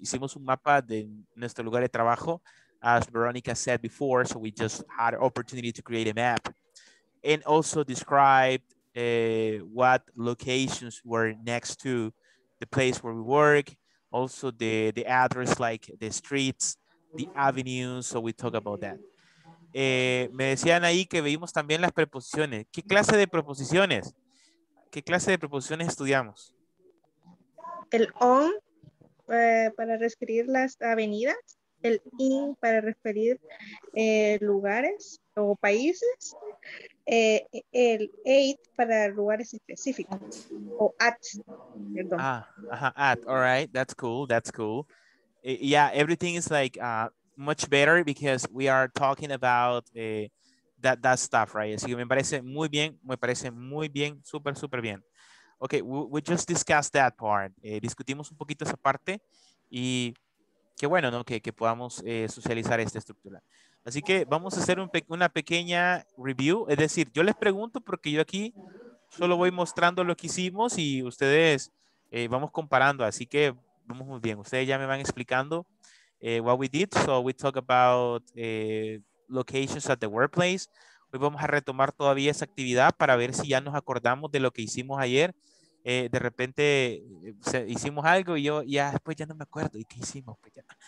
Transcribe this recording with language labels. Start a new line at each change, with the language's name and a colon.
Spanish: Hicimos un mapa de nuestro lugar de trabajo,
English: as Veronica said before, so we just had opportunity to create a map. And also described what locations were next to the place where we work, also the address, like the streets, the avenues, so we talk about that.
Spanish: Me decían ahí que vimos también las preposiciones. ¿Qué clase de preposiciones? ¿Qué clase de preposiciones estudiamos? El on, para describir las avenidas. el in para referir lugares o países, el eight para lugares específicos o at, perdón.
English: At, all right, that's cool, that's cool. Yeah, everything is like much better because we are talking about that stuff, right?
Spanish: Así que me parece muy bien, súper, súper bien.
English: Okay, we just discussed that part.
Spanish: Discutimos un poquito esa parte y qué bueno, ¿no? Que podamos socializar esta estructura. Así que vamos a hacer una pequeña review. Es decir, yo les pregunto porque yo aquí solo voy mostrando lo que hicimos y ustedes vamos comparando. Así que vamos muy bien. Ustedes ya me van explicando
English: what we did. So we talk about locations at the workplace.
Spanish: Hoy vamos a retomar todavía esa actividad para ver si ya nos acordamos de lo que hicimos ayer. De repente hicimos algo y yo ya después ya no me acuerdo. ¿Y qué hicimos? Pues ya.